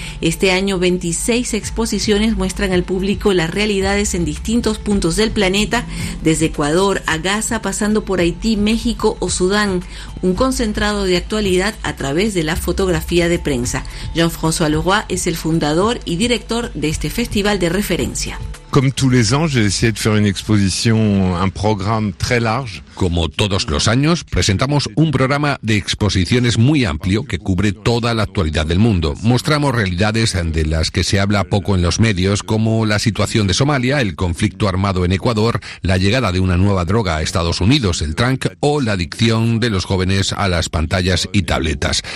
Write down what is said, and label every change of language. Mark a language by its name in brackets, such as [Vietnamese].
[Spanish] Este año 26 exposiciones muestran al público las realidades en distintos puntos del planeta, desde Ecuador a Gaza, pasando por Haití, México o Sudán. Un concentrado de actualidad a través de la fotografía de prensa. Jean-François Leroy es el fundador y director de este festival de referencia. [French] Comme tous les ans, j'ai essayé de faire une exposition, un programme très large. [Spanish] Como todos los años, presentamos un programa de exposiciones muy amplio que cubre toda la actualidad del mundo. Mostramos realidades de las que se habla poco en los medios, como la situación de Somalia, el conflicto armado en Ecuador, la llegada de una nueva droga a Estados Unidos, el trunk, o la adicción de los jóvenes a las pantallas y tabletas.